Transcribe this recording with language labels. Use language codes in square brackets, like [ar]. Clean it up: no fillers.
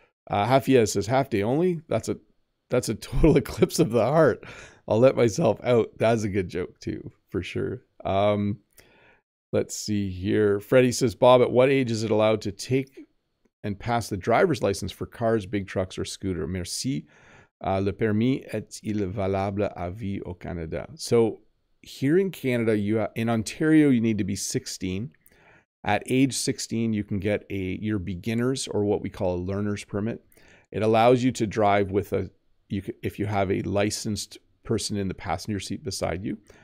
[en] Hafia says half day only. That's a total eclipse of the heart. I'll let myself out. That's a good joke too, for sure. Let's see here. Freddie says, Bob, at what age is it allowed to take and pass the driver's license for cars, big trucks, or scooter? [fr] Merci. Le permis est-il valable à vie au Canada? [en] So here in Canada, in Ontario, you need to be 16. At age 16, you can get your beginner's or what we call a learner's permit. It allows you to drive if you have a licensed person in the passenger seat beside you.